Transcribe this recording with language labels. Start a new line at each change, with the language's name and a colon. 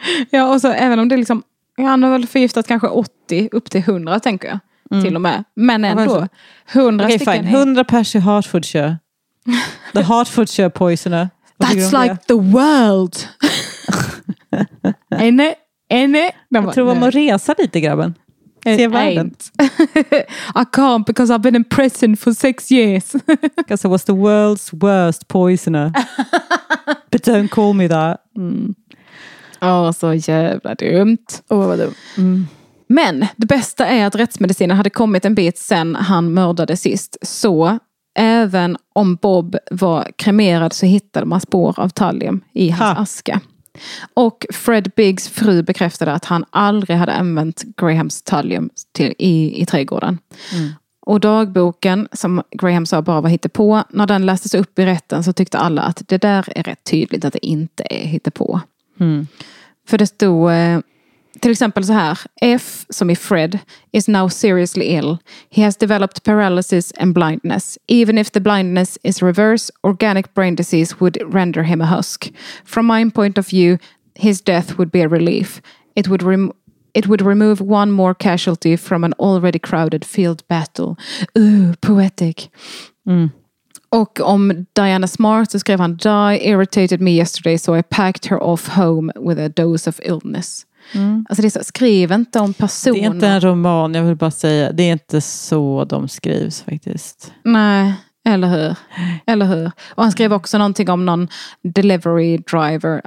Swedish: Ja, och så även om det liksom... Han har väl förgiftat kanske 80 upp till 100, tänker jag. Mm. Till och med. Men ändå, 100 stycken... Okej, fine. 100 pers i Hertfordshire.
English: The Hertfordshire poisoner. That's like the world. Ain't it?
Swedish: Jag tror man resa lite, grabben. Se världen.
English: I can't because I've been in prison for 6 years. Because I was the world's worst poisoner. But don't call me that.
Swedish: Åh, så jävla dumt. Åh, vad dumt. Men det bästa är att rättsmedicinen hade kommit en bit sen han mördade sist. Så... Även om Bob var kremerad så hittade man spår av thallium i hans aska. Och Fred Biggs fru bekräftade att han aldrig hade använt Grahams thallium i trädgården. Mm. Och dagboken som Graham sa bara var hittepå, när den lästes upp i rätten så tyckte alla att det där är rätt tydligt att det inte är hittepå. Mm. För det stod... Till exempel så här, F, som är Fred,
English: is now seriously ill. He has developed paralysis and blindness. Even if the blindness is reverse, organic brain disease would render him a husk. From my point of view, his death would be a relief. It would remove one more casualty from an already crowded field battle. Ooh, poetic. Mm.
Swedish: Och om Diana Smart så skrev han,
English: Di irritated me yesterday, so I packed her off home with a dose of illness. Mm.
Swedish: Alltså det är så, skriv inte om personer. Det är inte en roman, jag vill bara säga. Det är inte så de skrivs faktiskt. Nej, eller hur? Eller hur? Och han skrev också någonting om någon delivery driver.